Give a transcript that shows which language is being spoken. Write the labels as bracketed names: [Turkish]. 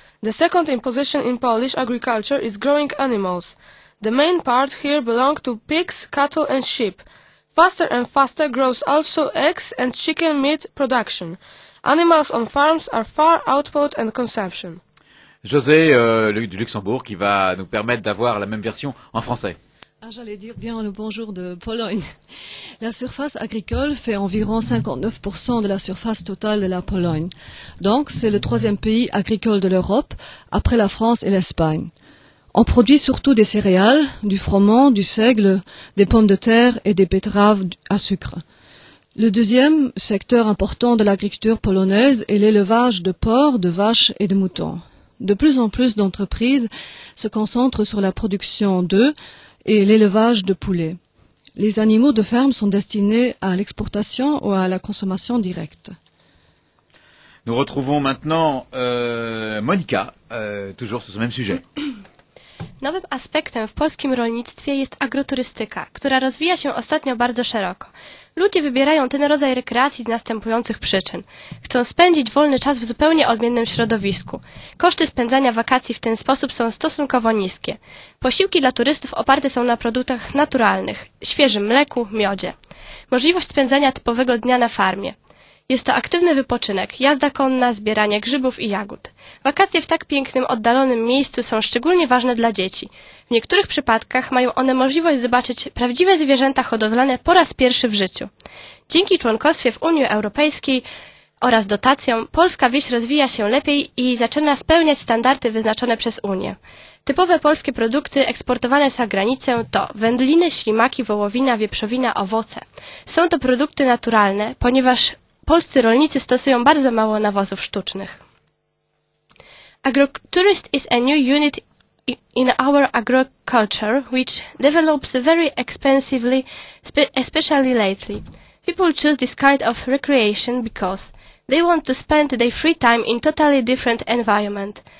[English] The second in position in Polish agriculture is growing animals. The main part here belong to pigs, cattle and sheep. Faster and faster grows also eggs and chicken meat production. Animals on farms are far output and consumption. [French] José du Luxembourg qui va nous permettre d'avoir la même version en français. Ah, j'allais dire bien le bonjour de Pologne. La surface agricole fait environ 59% de la surface totale de la Pologne. Donc, c'est le troisième pays agricole de l'Europe, après la France et l'Espagne. On produit surtout des céréales, du froment, du seigle, des pommes de terre et des betteraves à sucre. Le deuxième secteur important de l'agriculture polonaise est l'élevage de porcs, de vaches et de moutons. De plus en plus d'entreprises se concentrent sur la production d'œufs et l'élevage de poulets. Les animaux de ferme sont destinés à l'exportation ou à la consommation directe. Nous retrouvons maintenant Monika, toujours sur ce même sujet. [Polish] Nowym aspektem w polskim rolnictwie jest agroturystyka, która rozwija się ostatnio bardzo szeroko. Ludzie wybierają ten rodzaj rekreacji z następujących przyczyn. Chcą spędzić wolny czas w zupełnie odmiennym środowisku. Koszty spędzania wakacji w ten sposób są stosunkowo niskie. Posiłki dla turystów oparte są na produktach naturalnych, świeżym mleku, miodzie. Możliwość spędzania typowego dnia na farmie. Jest to aktywny wypoczynek, jazda konna, zbieranie grzybów i jagód. Wakacje w tak pięknym, oddalonym miejscu są szczególnie ważne dla dzieci. W niektórych przypadkach mają one możliwość zobaczyć prawdziwe zwierzęta hodowlane po raz pierwszy w życiu. Dzięki członkostwie w Unii Europejskiej oraz dotacjom, polska wieś rozwija się lepiej i zaczyna spełniać standardy wyznaczone przez Unię. Typowe polskie produkty eksportowane za granicę to wędliny, ślimaki, wołowina, wieprzowina, owoce. Są to produkty naturalne, ponieważ polscy rolnicy stosują bardzo mało nawozów sztucznych. [English] Agroturism is a new unit in our agriculture, which develops very expensively, especially lately. People choose this kind of recreation because they want to spend their free time in totally different environment.